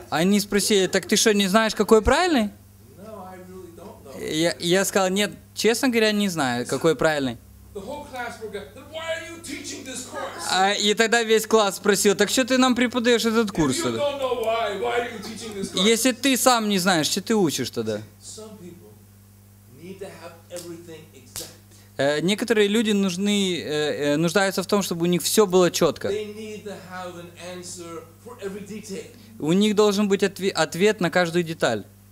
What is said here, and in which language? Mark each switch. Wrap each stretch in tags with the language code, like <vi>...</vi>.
<ru>Они спросили, так ты что, не знаешь, какой правильный?</ru> <en>No, I really don't know.</en> <ru>Я сказал, нет, честно говоря, не знаю, какой правильный.</ru> <en>The whole class broke up. Then why are you teaching this course?</en> <ru>И тогда весь класс спросил, так что ты нам преподаешь этот курс?</ru> <en>If you don't know why are you teaching this course?</en> <ru>Если ты сам не знаешь, что ты учишь тогда?</ru> <en>Some people need to have everything exact.</en> <ru>Некоторые люди нуждаются в том, чтобы у них все было четко.</ru> <en>They need to have an answer.</en> <ru>У них должен быть ответ на каждую деталь.</ru>